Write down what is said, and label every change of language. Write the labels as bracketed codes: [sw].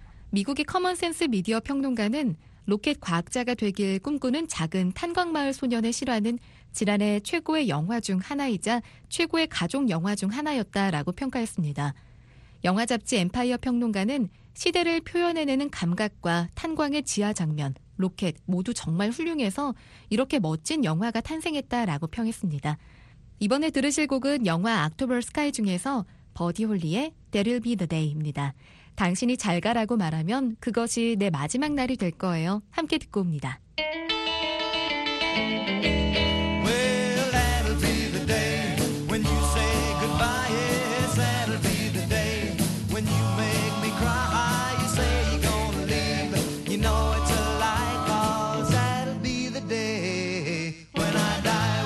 [ko] 미국의 커먼센스 미디어 평론가는 로켓 과학자가 되길 꿈꾸는 작은 탄광마을 소년의 실화는 지난해 최고의 영화 중 하나이자 최고의 가족 영화 중 하나였다라고 평가했습니다. 영화 잡지 엠파이어 평론가는 시대를 표현해내는 감각과 탄광의 지하 장면, 로켓 모두 정말 훌륭해서 이렇게 멋진 영화가 탄생했다라고 평했습니다. 이번에 들으실 곡은 영화 October Sky 중에서 버디 홀리의 There'll Be the Day입니다. 당신이 잘 가라고 말하면 그것이 내 마지막 날이 될 거예요. 함께 듣고 옵니다. [en] Well, that'll be the day when you say goodbye. Yes, that'll be the day when you make me cry. You say you're gonna leave. You know it's a lie, cause that'll be the day when I die.